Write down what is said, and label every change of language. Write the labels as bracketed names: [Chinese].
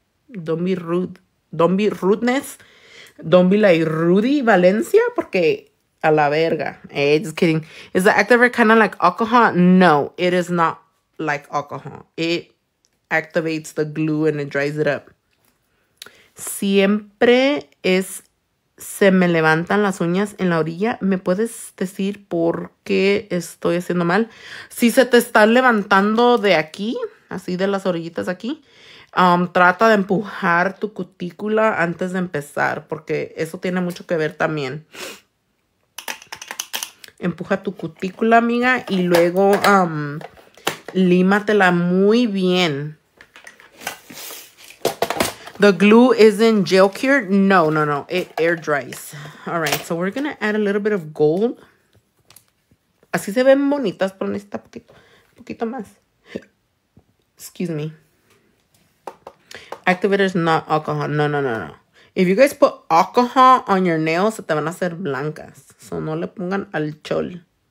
[English] Don't be rude. Don't be rudeness. Don't be like Rudy Valencia, [Spanish] porque a la verga. [English] Hey, just kidding. Is the activator kind of like alcohol? No, it is not like alcohol. It activates the glue and it dries it up. [Spanish] Siempre es, se me levantan las uñas en la orilla. ¿Me puedes decir por qué estoy haciendo mal? Si se te está levantando de aquí, así de las orillitas aquí, trata de empujar tu cutícula antes de empezar, porque eso tiene mucho que ver también. Empuja tu cutícula, amiga, y luego límatela muy bien. [English] The glue isn't gel cured. No. It air dries. All right. So we're going to add a little bit of gold. [Spanish] Así se ven bonitas, pero necesita poquito más. [English] Excuse me. Activator is not alcohol. No. If you guys put alcohol on your nails, [Spanish] se te van a hacer blancas. So no le pongan al chol.